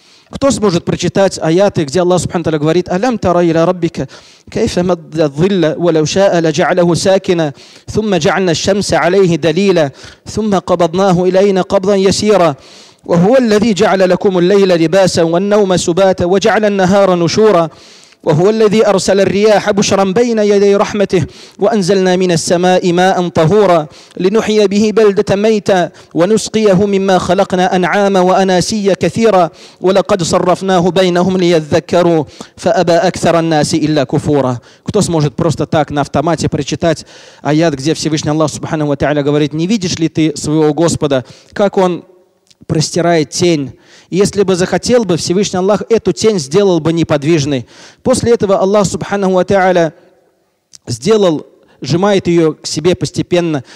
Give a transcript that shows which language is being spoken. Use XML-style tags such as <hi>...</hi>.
<ru>Кто сможет прочитать аяты, где Аллах Субхану ва Тааля говорит:</ru> <ar>«Алям тара иля раббика, кайфа мадда дзилля, валяу шаа ляджа'алаху сакина, сумма джа'ална шамса алейхи далила, сумма кабаднаху илайна кабдан ясира». «Ва хуа ллази джа'ала лакуму ллейла либаса, ва ннаума субата, ва джа'ала ннахара нушура». وهو الذي أرسل الرياح بشرا بين يدي رحمته وأنزلنا من السماء ماء طهورا لنحيي به بلدة ميتا ونسقيه مما خلقنا أنعاما وأناسيا كثيرا ولقد صرفناه بينهم ليذكروا فأبى أكثر الناس إلا كفورا.</ar> <ru>Кто сможет просто так на автомате прочитать аят, где Всевышний Аллах Субхану ва Тааля говорит: не видишь ли ты своего Господа, как он простирает тень? Если бы захотел бы, Всевышний Аллах эту тень сделал бы неподвижной. После этого Аллах Субханаху ва Тааля сделал, сжимает ее к себе постепенно.</ru>